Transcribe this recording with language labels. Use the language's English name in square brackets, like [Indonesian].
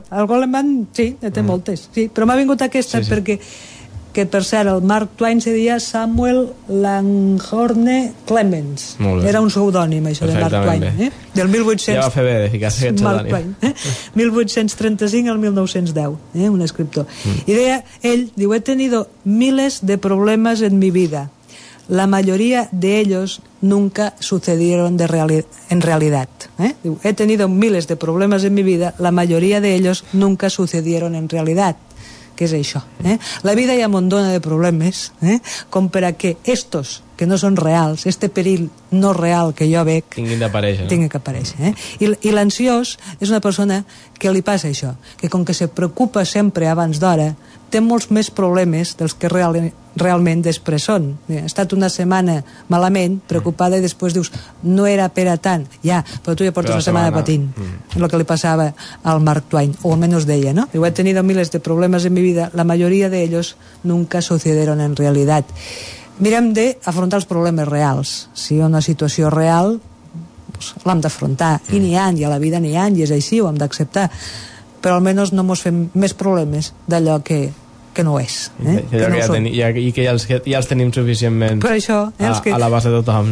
[Catalan] Sí, el Goleman, sí, en té moltes. Sí, però m'ha vingut aquesta perquè... que per cert, el Mark Twain se deia Samuel Langhorne Clemens. Era un pseudònim, això, de Mark Twain. Del 1800... Ja va fer bé de ficar-se aquest pseudònim. 1835 al 1910, un escriptor. I deia, ell diu, [Spanish] he tenido miles de problemas en mi vida. La mayoría de ellos nunca sucedieron en realidad. Diu, he tenido miles de problemas en mi vida, la mayoría de ellos nunca sucedieron en realidad. [Catalan] Que és això, la vida ja m'on dona de problemes, com per a que estos que no són reals, este perill no real que jo veig, tinguin d'aparèixer, i l'ansiós és una persona que li passa això, que com que se preocupa sempre abans d'hora, té molts més problemes dels que realment després són. Ha estat una setmana malament, preocupada, i després dius, no era per a tant, ja, però tu ja portes una setmana patint. El que li passava al Mark Twain, o almenys deia, no? [Spanish] Diu, he tenido miles de problemes en mi vida, la mayoría de ellos nunca sucedieron en realidad. [Catalan] Mirem d'afrontar els problemes reals. Si hi ha una situació real, pues, l'hem d'afrontar, i n'hi ha, i a la vida n'hi ha, i és així, ho hem d'acceptar. Però almenys no mos fem més problemes d'allò que no és. I que ja els tenim suficientment a la base de tothom.